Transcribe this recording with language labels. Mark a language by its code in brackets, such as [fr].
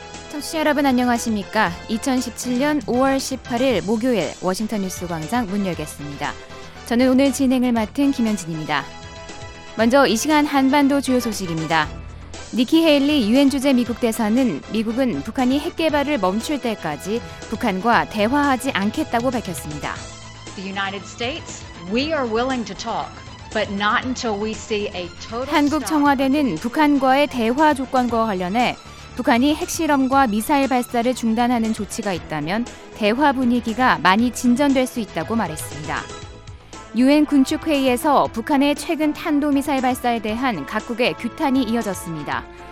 [ko] 청취자 여러분 안녕하십니까? 2017년 5월 18일 목요일 워싱턴 뉴스 광장 문 열겠습니다. 저는 오늘 진행을 맡은 김현진입니다. 먼저 이 시간 한반도 주요 소식입니다. 니키 헤일리 유엔 주재 미국 대사는 미국은 북한이 핵 개발을 멈출 때까지 북한과 대화하지 않겠다고 밝혔습니다. [en] The United States, we are willing to talk, but not until we see a total. [ko] 한국 청와대는 북한과의 대화 조건과 관련해 북한이 핵실험과 미사일 발사를 중단하는 조치가 있다면 대화 분위기가 많이 진전될 수 있다고 말했습니다. 유엔 군축회의에서 북한의 최근 탄도미사일 발사에 대한 각국의 규탄이 이어졌습니다.